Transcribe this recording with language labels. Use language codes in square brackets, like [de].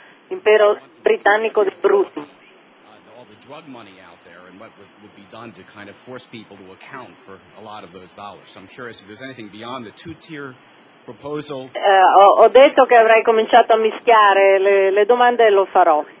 [it] l'impero britannico dei bruti. [en] Drug money out there and what was, would be done to kind of force people to account for a lot of those dollars. So I'm curious if there's anything beyond the two-tier proposal. [it] Ho detto che avrei cominciato a mischiare le domande e lo farò.